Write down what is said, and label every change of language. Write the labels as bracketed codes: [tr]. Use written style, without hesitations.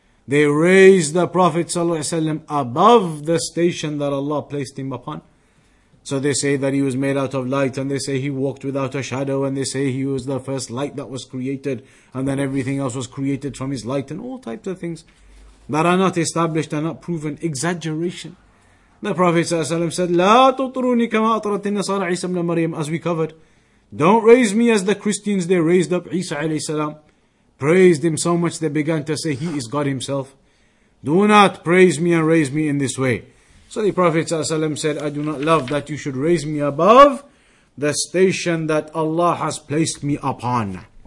[en] They raise the Prophet ﷺ above the station that Allah placed him upon. So they say that he was made out of light, and they say he walked without a shadow, and they say he was the first light that was created, and then everything else was created from his light, and all types of things that are not established and not proven. Exaggeration. The Prophet ﷺ said, [ar] لا تطروني كما أطرت النصارى عيسى بن مريم, [en] as we covered. Don't raise me as the Christians, they raised up Isa alayhi salam, praised him so much they began to say he is God himself. Do not praise me and raise me in this way. So the Prophet ﷺ said, I do not love that you should raise me above the station that Allah has placed me upon.